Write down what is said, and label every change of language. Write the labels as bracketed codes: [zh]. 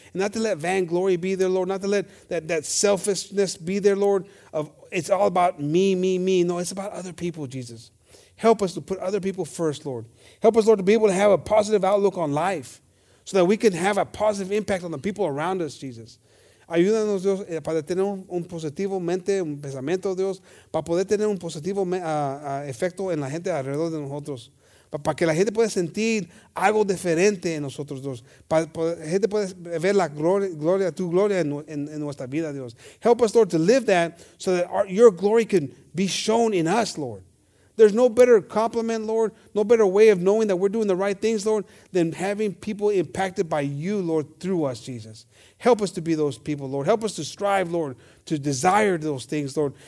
[en] And not to let vainglory be there, Lord, not to let that selfishness be there, Lord, of it's all about me, me, me. No, it's about other people, Jesus. Help us to put other people first, Lord. Help us, Lord, to be able to have a positive outlook on life so that we can have a positive impact on the people around us, Jesus. [es] Ayúdanos, Dios, para tener un positivo mente, un pensamiento, Dios, para poder tener un positivo efecto en la gente alrededor de nosotros, para que la gente pueda sentir algo diferente en nosotros, Dios, para que la gente pueda ver la gloria, tu gloria en nuestra vida, Dios. [en] Help us, Lord, to live that so that your glory can be shown in us, Lord. There's no better compliment, Lord, no better way of knowing that we're doing the right things, Lord, than having people impacted by you, Lord, through us, Jesus. Help us to be those people, Lord. Help us to strive, Lord, to desire those things, Lord.